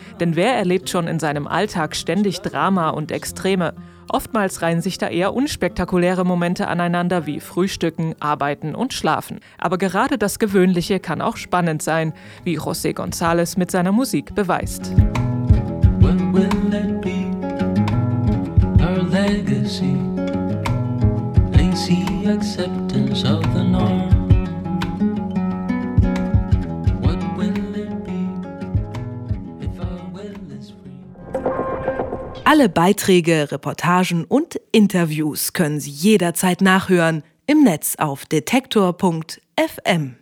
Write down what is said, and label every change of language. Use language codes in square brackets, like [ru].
[de] Denn wer erlebt schon in seinem Alltag ständig Drama und Extreme? Oftmals reihen sich da eher unspektakuläre Momente aneinander wie Frühstücken, Arbeiten und Schlafen. Aber gerade das Gewöhnliche kann auch spannend sein, wie José González mit seiner Musik beweist. [en] When will it be? Legacy, lazy acceptance of the norm. What will it be if our will is free? [de] Alle Beiträge, Reportagen und Interviews können Sie jederzeit nachhören im Netz auf detektor.fm.